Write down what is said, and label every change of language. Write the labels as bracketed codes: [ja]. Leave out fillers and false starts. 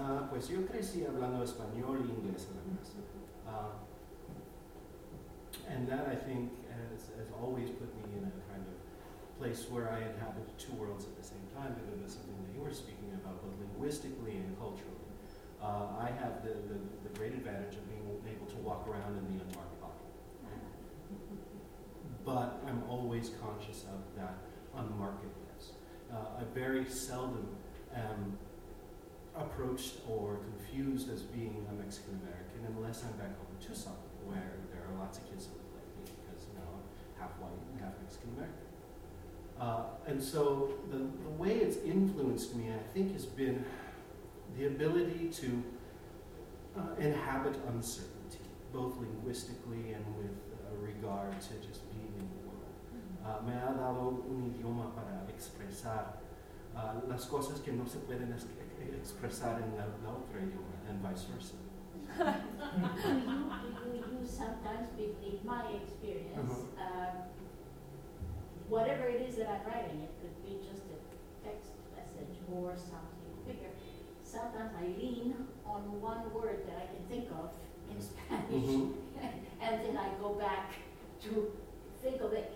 [es] Pues yo crecí hablando español e inglés además. [en] And that I think has always put me in a kind of place where I inhabit two worlds at the same time, because of something that you were speaking about, both linguistically and culturally. I have the great advantage of being able to walk around in the unmarked body. But I'm always conscious of that unmarkedness. I very seldom am approached or confused as being a Mexican-American unless I'm back home in Tucson, where there are lots of kids that look like me, because now I'm half white and half Mexican-American. And so the way it's influenced me, I think, has been the ability to inhabit uncertainty, both linguistically and with regard to just being in the world. [es] Me ha dado un idioma para expresar las cosas que no se pueden expresar en la otra idioma, [en] and vice versa. You sometimes, in my experience, whatever it is that I'm writing, it could be just a text message or something bigger. Sometimes I lean on one word that I can think of in Spanish, and then I go back to think of it.